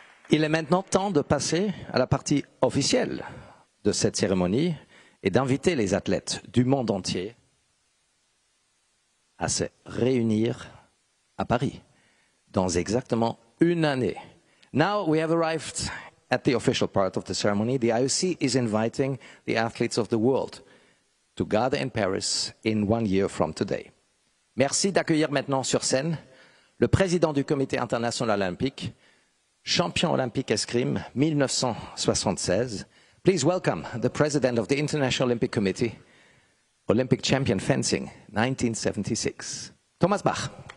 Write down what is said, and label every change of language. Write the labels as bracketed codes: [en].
[fr] Il est maintenant temps de passer à la partie officielle de cette cérémonie et d'inviter les athlètes du monde entier à se réunir à Paris dans exactement une année. [en] Now we have arrived at the official part of the ceremony. The IOC is inviting the athletes of the world to gather in Paris in one year from today. [fr] Merci d'accueillir maintenant sur scène le président du Comité international olympique, champion olympique escrime 1976. [en] Please welcome the president of the International Olympic Committee, Olympic champion fencing 1976, Thomas Bach.